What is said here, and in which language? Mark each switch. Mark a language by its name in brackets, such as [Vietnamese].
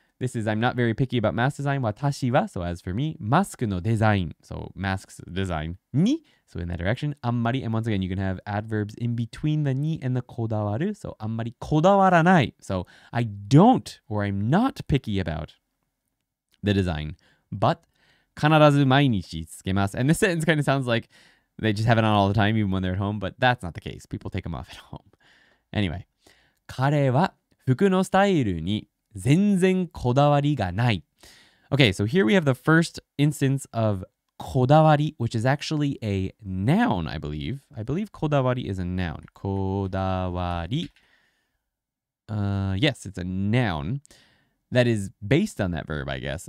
[English] This is, I'm not very picky about mask design. 私は、so as for me, mask のデザイン so masks design, に, so in that direction, あんまり, and once again, you can have adverbs in between the に and the こだわる, so [Japanese] あんまりこだわらない, [English] so I don't, or I'm not picky about the design, but [Japanese] 必ず毎日つけます, [English] and this sentence kind of sounds like they just have it on all the time, even when they're at home, but that's not the case. People take them off at home. Anyway, [Japanese] 彼は服のスタイルに全然こだわりがない。 [English] Okay, so here we have the first instance of こだわり, which is actually a noun, I believe. I believe こだわり is a noun. [Japanese] こだわり. [English] Yes, it's a noun that is based on that verb, I guess.